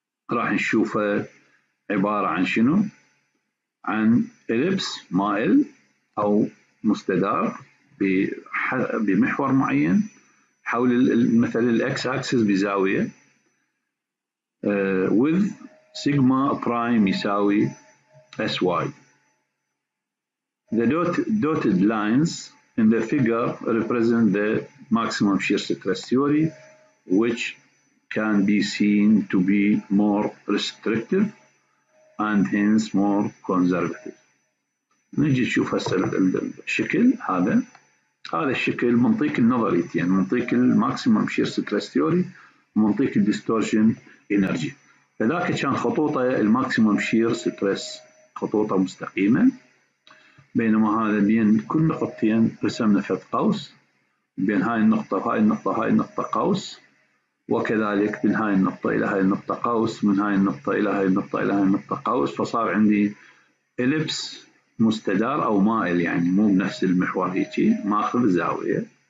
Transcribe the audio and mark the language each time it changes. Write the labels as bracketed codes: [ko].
[ar] راح نشوفه عبارة عن شنو عن إليبس مائل أو مستدار بمحور معين حول مثلا الأكس أكسس بزاوية with سيجما برايم يساوي S Y. [en] The dotted lines in the figure represent the maximum shear stress theory which can be seen to be more restrictive and hence more conservative. [ar] نجي نشوف هسه الشكل هذا، هذا الشكل منطيك النظريتين يعني منطيك الماكسيمم شير ستريس ثيوري منطيك الديستورشن انرجي. فذاك كان خطوطه الماكسيمم شير ستريس خطوطه مستقيمه، بينما هذا بين كل نقطتين رسمنا فت قوس بين هاي النقطه وهاي النقطه هاي النقطه قوس، وكذلك من هاي النقطة إلى هاي النقطة قوس، من هاي النقطة إلى هاي النقطة إلى هاي النقطة قوس، فصار عندي إليبس مستدار أو مائل يعني مو بنفس المحور هيجي ماخذ زاوية.